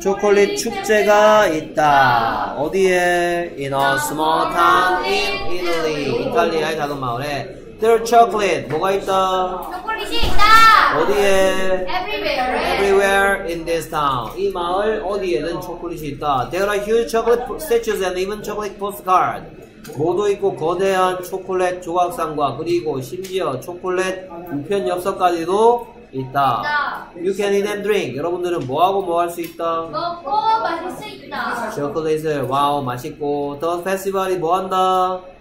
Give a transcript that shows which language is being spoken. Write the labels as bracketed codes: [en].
[ko] 초콜릿 축제가 있다. 어디에? [en] In a small town in Italy. [ko] 이탈리아의 작은 마을에. [en] Their chocolate [ko] 뭐가 있다? 초콜릿이 있다. 어디에? [en] Everywhere. Everywhere in this town. [ko] 이 마을 어디에는 초콜릿이 있다. [en] There are huge chocolate statues and even chocolate postcard. [ko] 모두 있고 거대한 초콜릿 조각상과 그리고 심지어 초콜릿 우편 엽서까지도 있다. [en] You can eat and drink. [ko] 여러분들은 뭐하고 뭐 할 수 있다? 먹고 마실 수 있다. 초콜릿을 와우 맛있고 [en] The festival [ko] 이 뭐 한다?